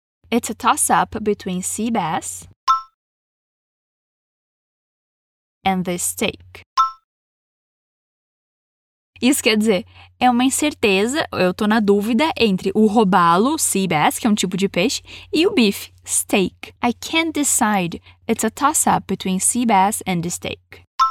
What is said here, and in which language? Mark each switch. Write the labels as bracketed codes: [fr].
[en] It's a toss-up between sea bass and the steak. [pt] Isso quer dizer, é uma incerteza, eu tô na dúvida entre o robalo, sea bass, que é um tipo de peixe, e o bife, steak. [en] I can't decide. It's a toss-up between sea bass and the steak.